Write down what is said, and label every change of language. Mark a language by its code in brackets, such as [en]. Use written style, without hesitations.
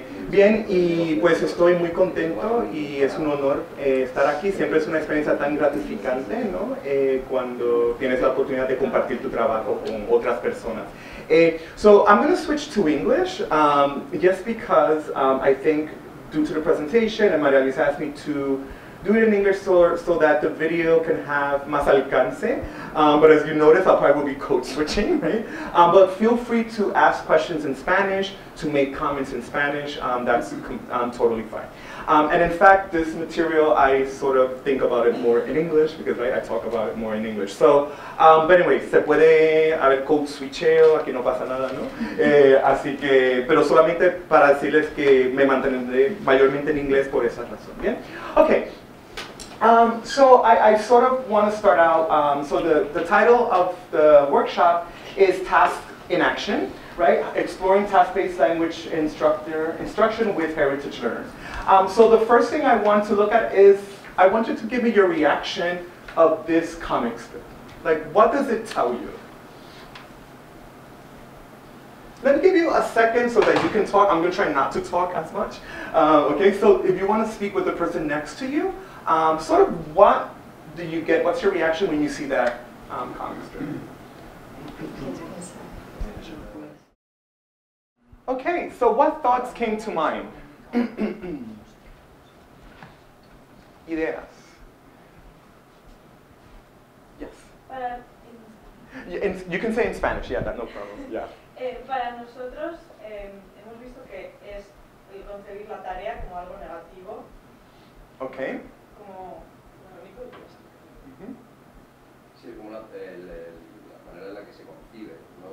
[es] Bien, y pues estoy muy contento y es un honor estar aquí. Siempre es una experiencia tan gratificante, ¿no? Cuando tienes la oportunidad de compartir tu trabajo con otras personas. [en] So I'm going to switch to English just because I think due to the presentation and Maria Luisa asked me to do it in English so that the video can have [es] más alcance. [en] But as you notice, I'll probably be code switching, right? But feel free to ask questions in Spanish, to make comments in Spanish. That's totally fine. And in fact, this material, I sort of think about it more in English because I talk about it more in English. So, but anyway, [es] se puede haber code switcheo, aquí no pasa nada, ¿no? Así que, pero solamente para decirles que me mantendré mayormente en inglés por esa razón, ¿bien? [en] Okay. So I sort of want to start out, so the title of the workshop is Task in Action, right? Exploring Task-Based Language Instruction with Heritage Learners. So the first thing I want to look at is, I want you to give me your reaction of this comic strip. Like, what does it tell you? Let me give you a second so that you can talk. I'm going to try not to talk as much. Okay, so if you want to speak with the person next to you, sort of what do you get, what's your reaction when you see that comic strip? Okay, so what thoughts came to mind? Ideas. Yes. You can say in Spanish, yeah, that, no problem. Yeah. [es] Para nosotros hemos visto que es el concebir la tarea como algo negativo. [en] Okay. [es] Como lo único que es. Sí, como la manera en la que se concibe, ¿no?